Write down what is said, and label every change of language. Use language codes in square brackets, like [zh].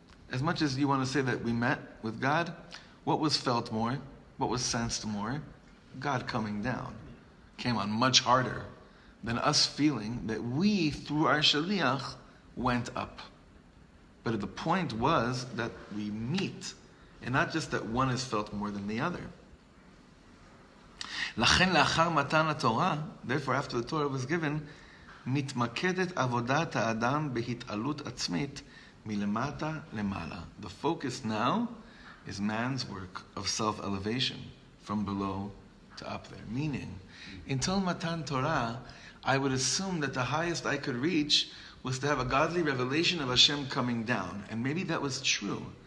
[en] As much as you want to say that we met with God, what was felt more, what was sensed more? God coming down came on much harder than us feeling that we, through our shaliach, went up. But the point was that we meet, and not just that one is felt more than the other. [he] לכן לאחר מתן התורה, [en] therefore after the Torah was given, [he] מתמקדת עבודת האדם בהתעלות עצמית, מלמטה למעלה. [en] The focus now is man's work of self-elevation from below to up there. Meaning, until Matan Torah, I would assume that the highest I could reach was to have a godly revelation of Hashem coming down. And maybe that was true.